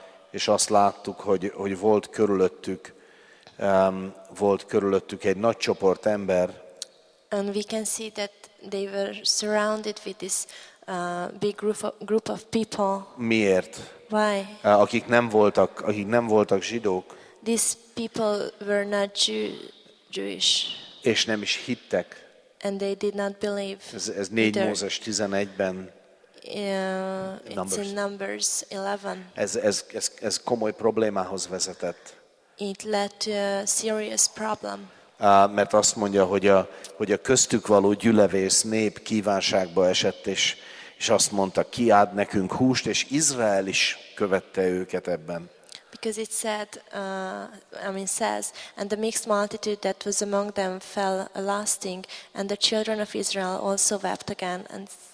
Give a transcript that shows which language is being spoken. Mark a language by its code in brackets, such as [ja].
[hu] És azt láttuk, hogy volt körülöttük. Volt körülöttük egy nagy csoport ember. [en] And we can see that they were surrounded with this big group of people. [hu] Miért? [en] Why? [hu] Akik nem voltak zsidók. [en] These people were not Jewish. [hu] És nem is hittek. [en] And they did not believe. [hu] Ez 4 Mózes 11-ben. [en] It's in Numbers 11. [hu] Ez komoly problémához vezetett. [en] It led to a serious problem. [hu] Mert azt mondja, hogy a köztük való gyülevész nép kívánságba esett, és azt mondta, ki ad nekünk húst, és Izrael is követte őket ebben. [en] Because it said, says, and the mixed multitude that was among them fell a lasting, and the children of Israel also wept again, and